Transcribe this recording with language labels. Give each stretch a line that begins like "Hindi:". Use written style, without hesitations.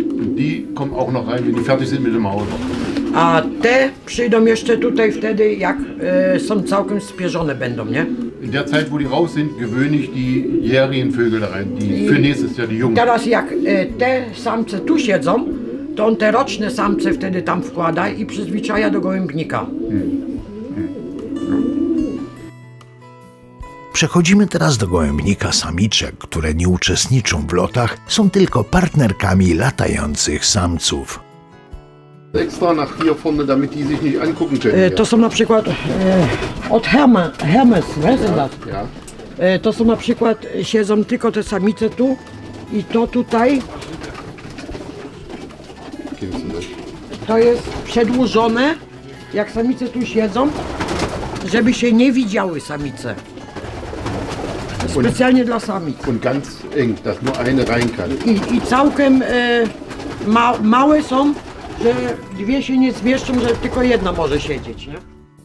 German: Die kommen auch noch rein, wenn die fertig sind mit dem Haus.
Polish: A te przyjdą jeszcze tutaj wtedy, jak są całkiem spierzone będą, nie?
German: In der Zeit, wo die raus sind, gewöhne ich die jährigen Vögel da rein, die für nächstes Jahr die Jungen.
Polish: Teraz jak te samce tu siedzą, to on te roczne samce wtedy tam wkłada i przyzwyczaja do gołębnika. Przechodzimy teraz do gołębnika samiczek, które nie uczestniczą w lotach, są tylko partnerkami latających samców.
German: Extra nach hier vorne, damit die sich nicht angucken können.
Polish: To są na przykład od Hermes,
German: ja, weißt du das? Ja.
Polish: To są na przykład, siedzą tylko te samice tu i to tutaj. To jest przedłużone, jak samice tu siedzą, żeby się nie widziały samice. Specjalnie dla samic.
German: Und ganz eng, dass nur eine rein kann.
Polish: I całkiem małe są, że dwie się nie zmieszczą, że tylko jedna może siedzieć, nie?